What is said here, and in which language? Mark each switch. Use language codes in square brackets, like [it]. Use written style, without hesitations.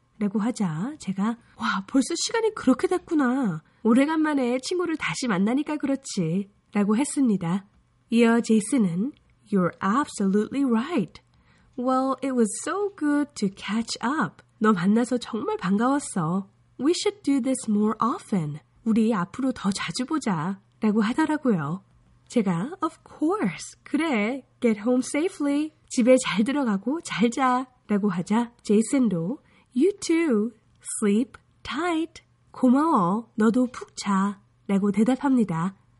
[ko] 라고 하자 제가 와, 벌써 시간이 그렇게 됐구나. 오래간만에 친구를 다시 만나니까 그렇지 라고 했습니다. 이어 제이슨은 [en] You're absolutely right. Well, it was so good to catch up. [ko] 너 만나서 정말 반가웠어. [en] We should do this more often. [ko] 우리 앞으로 더 자주 보자 라고 하더라고요. 제가 [en] Of course, [ko] 그래, [en] get home safely. [ko] 집에 잘 들어가고 잘 자 라고 하자 제이슨도 [en] You too, sleep tight. [ko] 고마워, 너도 푹 자, 라고 대답합니다.